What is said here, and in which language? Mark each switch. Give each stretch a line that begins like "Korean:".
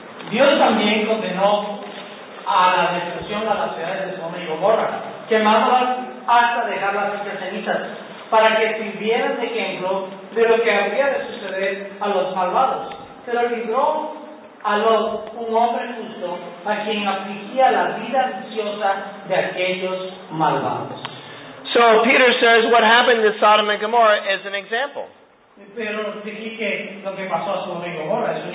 Spanish: Dios también condenó a la destrucción a las ciudades de Sodoma y Gomorra, quemándolas hasta dejarlas entre cenizas, para que sirvieran de ejemplo de lo que habría de suceder a los malvados. Se lo libró a Lot, un hombre justo, a quien afligía la vida viciosa de aquellos malvados.
English: So Peter says what happened to Sodom and Gomorrah is an example.
Spanish: Pero dije que lo que pasó a Sodoma y Gomorra es un